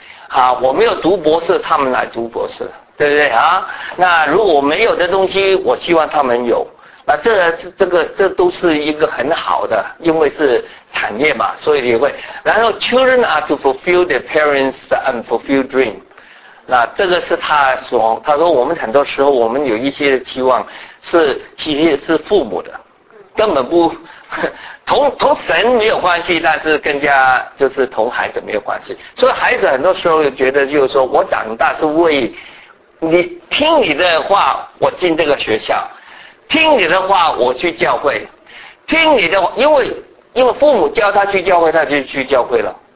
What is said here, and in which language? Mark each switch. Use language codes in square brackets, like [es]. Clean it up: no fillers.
[zh] 好，我没有读博士，他们来读博士，对不对啊？那如果没有的东西，我希望他们有。那这都是一个很好的，因为是产业嘛，所以你会。然后 [en] ，children are to fulfill their parents' unfulfilled dream。 [zh] 那这个是他说我们很多时候我们有一些期望是其实是父母的，根本不同神没有关系，但是更加就是同孩子没有关系。所以孩子很多时候觉得就是说，我长大是为你听你的话，我进这个学校，听你的话我去教会，听你的话，因为父母教他去教会，他就去教会了。